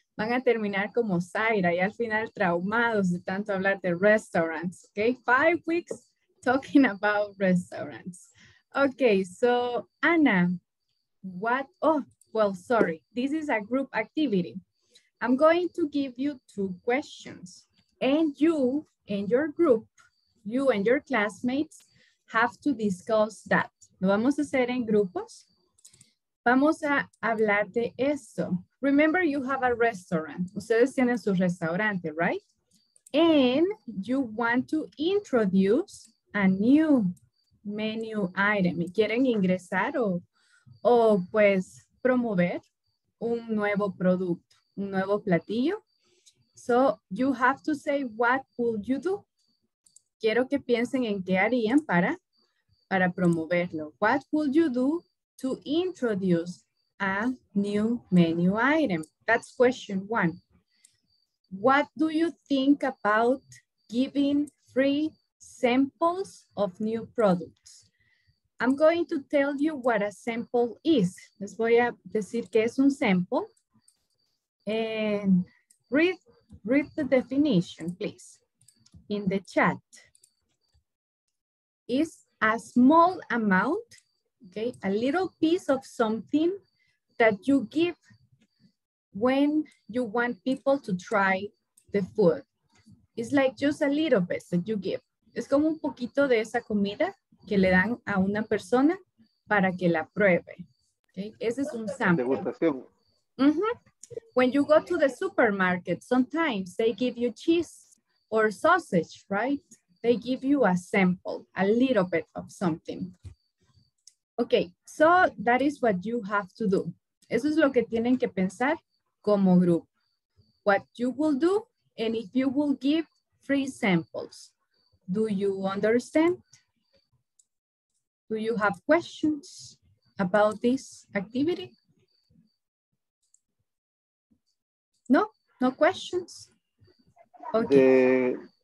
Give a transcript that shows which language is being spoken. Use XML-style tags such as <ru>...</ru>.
<es>Van a terminar como Zaira y al final traumados de tanto hablar de restaurants, okay?</es> <en>5 weeks talking about restaurants. Okay, so Ana, this is a group activity. I'm going to give you two questions and you and your group, you and your classmates have to discuss that.</en> <es>Lo vamos a hacer en grupos. Vamos a hablar de eso.</es> <en>Remember, you have a restaurant.</en> <es>Ustedes tienen su restaurante,</es> <en>right? And you want to introduce a new menu item.</en> <es>¿Quieren ingresar o pues promover un nuevo producto, un nuevo platillo?</es> <en>So you have to say, what would you do?</en> <es>Quiero que piensen en qué harían para promoverlo.</es> <en>What would you do to introduce a new menu item? That's question one. What do you think about giving free samples of new products? I'm going to tell you what a sample is.</en> <es>Les voy a decir que es un sample.</es> <en>And read the definition, please, in the chat. It's a small amount, okay, a little piece of something that you give when you want people to try the food. It's like just a little bit that you give.</en> <es>Es como un poquito de esa comida que le dan a una persona para que la pruebe. Okay, ese es un sample. Degustación. Mm-hmm.</es> <en>When you go to the supermarket, sometimes they give you cheese or sausage, right? They give you a sample, a little bit of something. Okay, so that is what you have to do.</en> <es>Eso es lo que tienen que pensar como grupo.</es> <en>What you will do, and if you will give free samples. Do you understand? Do you have questions about this activity? No, no questions? Okay.</en>